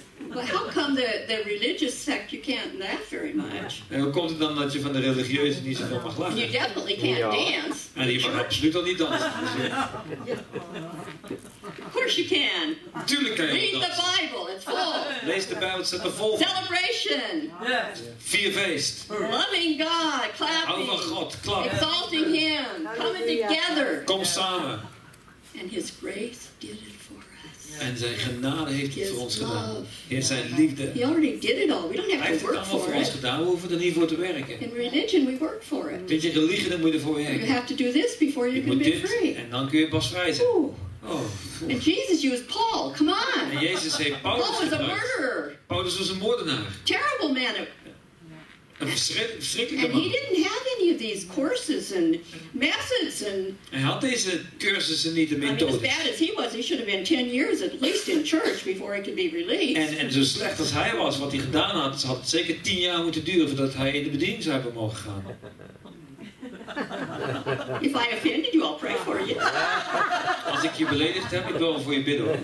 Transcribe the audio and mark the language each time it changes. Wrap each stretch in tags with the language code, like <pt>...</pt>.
<en>Well, how come the religious sect you can't laugh very much?</en> <nl>En hoe komt het dan dat je van de religieuze niet zoveel mag lachen?</nl> <en>You definitely can't dance.</en> <nl>En je mag absoluut al niet dansen.</nl> <en>Of course you can.</en> <nl>Tuurlijk kan je dansen.</nl> <en>Read the Bible, it's full.</en> <nl>Lees de Bijbel, het staat er vol.</nl> <en>Celebration. Yes.</en> <nl>Vier feest.</nl> <en>Loving God, clapping.</en> <nl>Hou van God, klap.</nl> <en>Exalting Him, coming together.</en> <nl>Kom samen.</nl> <en>And His grace did it for us.</en> <nl>En zijn genade heeft het voor ons gedaan. Heer, zijn liefde.</nl> <en>He already did it all. We don't have</en> <nl>Hij</nl> <en>to work for it.</en> <nl>Hij heeft het allemaal voor ons gedaan. We hoeven er niet voor te werken.</nl> <en>In religion we work for it.</en> <nl>Vind je religie, dan moet je ervoor werken.</nl> <en>You have to do this before you</en> <nl>je</nl> <en>can</en> <nl>moet</nl> <en>be</en> <nl>dit,</nl> <en>free.</en> <nl>En dan kun je pas vrij zijn.</nl> <en>Oh. And Jesus used Paul. Come on.</en> <nl>En Jezus heeft Paulus gebruikt.</nl> <en>Paul was a murderer.</en> <nl>Paulus was een moordenaar.</nl> <en>Terrible man.</en> <nl>Een verschrikkelijke man.</nl> <en>And he didn't have any of these courses and methods and.</en> <nl>Hij had deze cursussen niet en methodes.</nl> <en>I mean, as bad as he was, he should have been 10 years at least in church before he could be released.</en> <nl>En zo slecht als hij was, wat hij gedaan had, had het zeker 10 jaar moeten duren voordat hij in de bediening zou hebben mogen gaan.</nl> <en>If I offended you, I'll pray for you.</en> <nl>Als ik je beledigd heb, ik wil voor je bidden.</nl>